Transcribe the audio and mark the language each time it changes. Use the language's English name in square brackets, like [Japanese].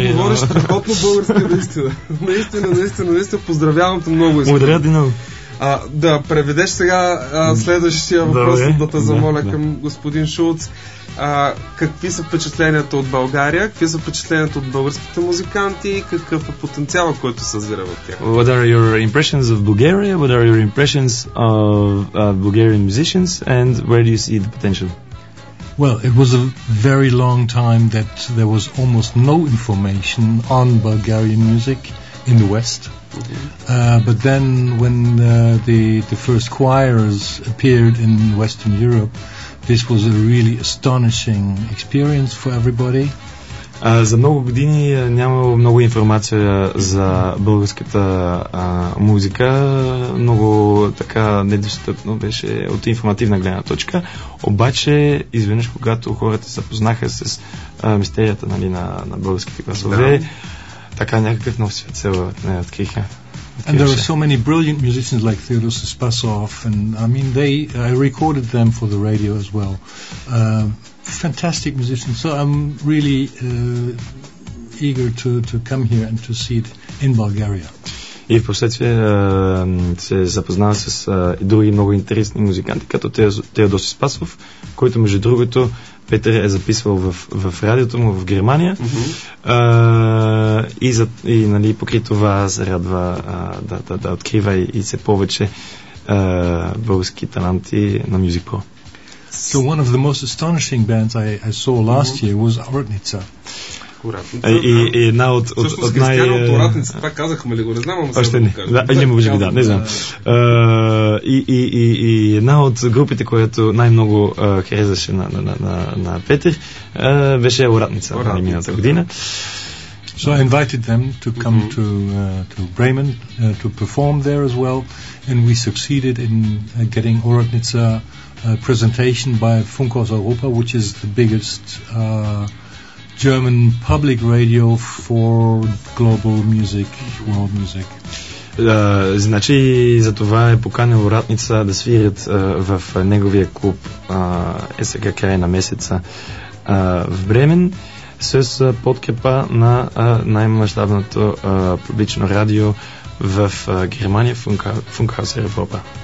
[Bulgarian] Приятели, говориш страхотно български, наистина. Поздравявам те много. Благодаря ти много. Да преведеш сега следващия въпрос, да те замоля към господин Шулц. Какви са впечатленията от България, какви са впечатленията от българските музиканти и какъв е потенциалът, който съзира в тях? [English] What are your impressions of Bulgaria? What are your impressions of Bulgarian musicians and where do you see the potential? Well, it was a very long time that there was almost no information on Bulgarian music in the West. But then when the first choirs appeared in Western Europe, this was a really astonishing experience for everybody. [Bulgarian] За много години нямало много информация за българската музика, много така недостъпно беше от информативна гледна точка. Обаче, изведнъж, когато хората се запознаха с мистерията, нали, на българските класове, така някакъв нов свят се откриха. [English] And there are so many brilliant musicians like Theodosius Spasov, and I mean, I recorded them for the radio as well. Fantastic musicians. So I'm really eager to come here and to see it in Bulgaria. [Bulgarian] И впоследствие се запознава с и други много интересни музиканти, като Теодосий Спасов, който между другото Петър е записвал в радиото му в Германия. Mm-hmm. И нали, покрай това се радва да открива и все повече български таланти на Music Pro. [English] So one of the most astonishing bands I saw last year was Oratnica. [Bulgarian] И една от Оратница, това казахме ли го, не знам, още не. Не знам. И една от групите, която най-много харесваше на Петър, беше Оратница на миналата година. [English] So I invited them to come to Bremen to perform there as well, and we succeeded in getting Оратница presentation by Funkhaus Europa, which is the biggest German public radio for global music, world music. [Bulgarian] Значи за това е поканил Оратница да свирят в неговия клуб ЕСК край на месеца в Бремен с подкрепа на най-мащабното публично радио в Германия, Funkhaus Europa.